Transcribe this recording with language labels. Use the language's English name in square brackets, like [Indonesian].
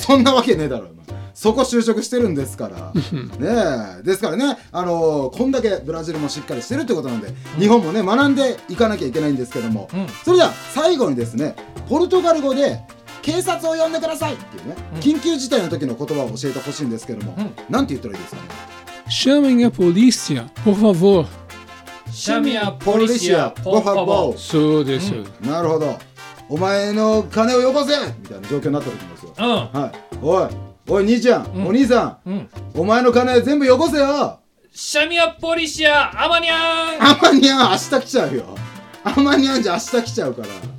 [Japanese] そんなわけねえだろ、そこ就職してるんですから。ねえ、ですからね、こんだけブラジルもしっかりしてるってことなんで、うん、日本もね学んでいかなきゃいけないんですけども、うん、それでは最後にですね、ポルトガル語で警察を呼んでくださいっていうね、うん、緊急事態の時の言葉を教えてほしいんですけども、うん、なんて言ったらいいですかね。 [Portuguese] Chamem a polícia, por favor. Chamem a polícia, por favor. [Japanese] そうです、うん、なるほど、お前の金をよこせみたいな状況になった時ですよ、うん、はい、おい兄ちゃん、うん、お兄さん、うん、お前の金全部よこせよ。 [Portuguese] シャミアポリシア、アマニャン。 [Japanese] アマニャン、明日来ちゃうよ。アマニャンじゃ明日来ちゃうから。